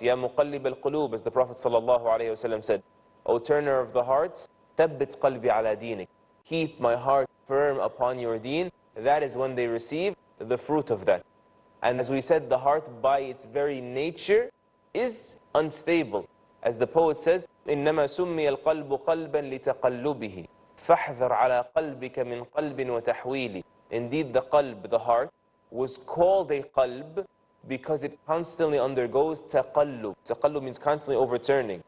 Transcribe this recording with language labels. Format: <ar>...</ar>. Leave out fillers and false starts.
<en>Ya muqallib al-qulub, as the Prophet sallallahu alayhi wasallam said, O turner of the hearts, thabbit qalbi ala deenik, keep my heart firm upon your deen. That is when they receive the fruit of that. And as we said, the heart by its very nature is unstable. As the poet says,</en> <ar>إِنَّمَا سُمِّيَ الْقَلْبُ قَلْبًا لِتَقَلُّبِهِ فَحْذَرْ عَلَىٰ قَلْبِكَ مِنْ قَلْبٍ وَتَحْوِيلِ.</ar> <en>Indeed, the qalb, the heart, was called a qalb because it constantly undergoes taqallub. Taqallub means constantly overturning.</en>